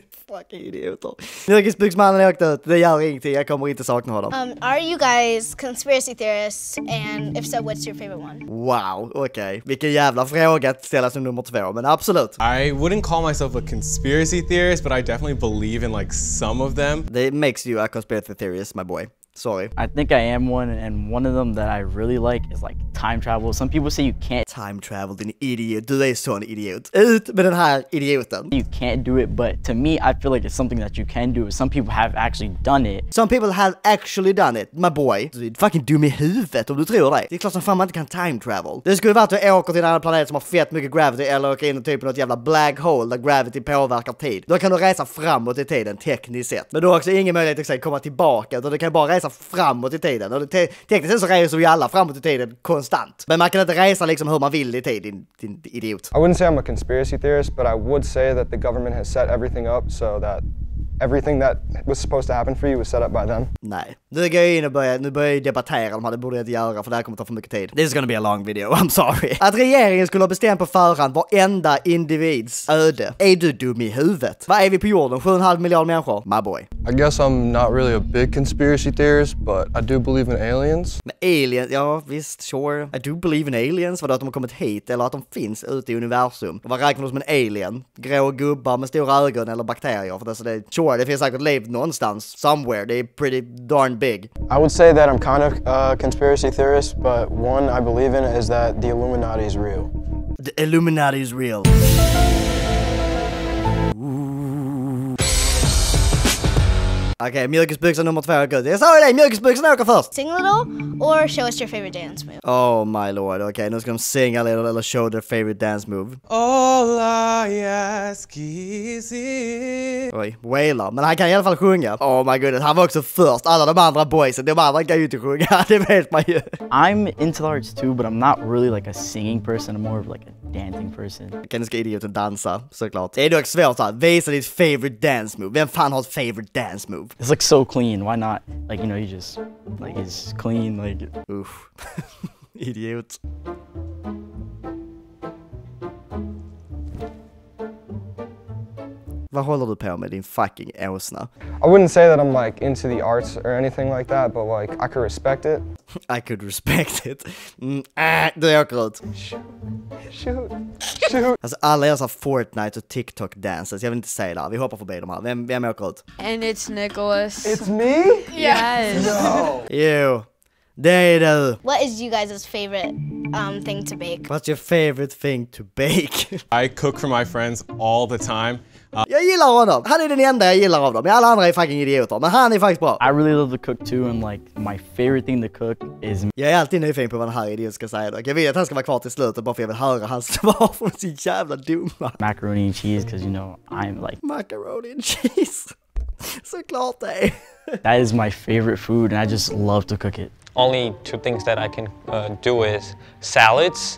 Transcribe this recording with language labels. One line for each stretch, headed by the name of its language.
Swedish: fucking idioter. Mjölkisbyggsmannen åkte ut. Det gör ingenting. Jag kommer inte sakna honom.
English: Are you guys conspiracy theorists? And if so, what's your favorite one? Wow, okay.
Swedish: Vilken jävla fråga att ställa som nummer två, men absolut.
English: I wouldn't call myself a conspiracy theorist, but I definitely believe in like some of them. That makes you a conspiracy theorist, my boy. Sorry. I think I am one, and one of them that I really like is like time travel. Some people say you can't time travel,
Swedish: din idiot. Du är sån idiot. Ut med den här idioten.
English: You can't do it, but to me, I feel like it's something that you can do. Some people have actually done it. Some people have actually done it, my boy.
Swedish: Du är fucking dum i huvudet om du tror det. Det är klart som fan man inte kan time travel. Det skulle vara att du åker till en annan planet som har fett mycket gravity eller åker in i typ något jävla black hole där gravity påverkar tid. Då kan du resa framåt i tiden tekniskt sett. Men du har också ingen möjlighet att komma tillbaka, utan du kan bara resa framåt i tiden. Och tekniskt sett så reser vi alla framåt i tiden konstant. Men man kan inte resa liksom hur man vill i tid, din idiot.
English: I wouldn't say I'm a conspiracy theorist, but I would say that the government has set everything up so that everything that was supposed to happen for you was set up by them.
Swedish: Nej. Nu går jag in och börjar debattera om vad det borde jag göra, för det här kommer ta för mycket tid.
English: This is gonna be a long video, I'm sorry.
Swedish: Att regeringen skulle ha bestämt på förhand varenda individs öde. Är du dum i huvudet? Vad är vi på jorden? 7,5 miljarder människor?
English: My boy. I guess I'm not really a big conspiracy theorist, but I do believe in aliens.
Swedish: Men aliens, ja visst, sure.
English: I do believe in aliens,
Swedish: vadå att de har kommit hit eller att de finns ute i universum. Vad räknar du som en alien? Grå gubbar med stora ögon eller bakterier? För det är sure, det finns säkert liv någonstans, somewhere.
English: They're pretty darn big. I would say that I'm kind of a conspiracy theorist, but one I believe in is that the Illuminati is real. The Illuminati is real.
Swedish: Okej, mjölkesbyxan nummer två. Jag sa ju det, mjölkesbyxan åker först.
English: Sing a little or show us your favorite dance move. Oh my lord, okej.
Swedish: Nu ska de
English: sing a little eller show their favorite dance move. All I ask is it.
Swedish: Oj, wailer. Men han kan i alla fall sjunga.
English: Oh my goodness,
Swedish: han var också först. Alla de andra boysen, de andra kan ju inte sjunga. Det vet man ju.
English: I'm into the arts too, but I'm not really like a singing person. I'm more of like a dancing person.
Swedish: Kan du ska idiot och dansa, såklart. Det är dock svårt att visa ditt
English: favorite dance move.
Swedish: Vem fan har ett
English: favorite dance move? It's like so clean, why not? Like, you know, you just, like, it's clean, like... Oof. Idiot.
Swedish: Vad håller du på med, din fucking åsna?
English: I wouldn't say that I'm, like, into the arts or anything like that, but, like, I could respect it. I could respect it.
Swedish: Du är åker ut.
English: Shoot.
Swedish: Alltså, alla är så Fortnite och TikTok dances. Jag vill inte säga det. Vi hoppar förbi dem här. Vem åker ut?
English: And it's Nicholas. It's me? Yes. No. You.
Swedish: Det är du.
English: What is you guys' favorite thing to bake? What's your favorite thing to bake? I cook for my friends all the time.
Swedish: Jag gillar honom. Han är den enda jag gillar av dem. Alla andra är fucking idioter, men han är faktiskt bra.
English: I really love to cook too, and like my favorite thing to cook is me.
Swedish: Jag är alltid nyfiken på vad den här idioten ska säga dock. Jag vill att han ska vara kvar till slutet bara för att jag vill höra hans svar på sin jävla dumma.
English: Macaroni and cheese, because you know I'm like macaroni and cheese.
Swedish: Såklart det.
English: That is my favorite food and I just love to cook it. Only two things that I can do is salads.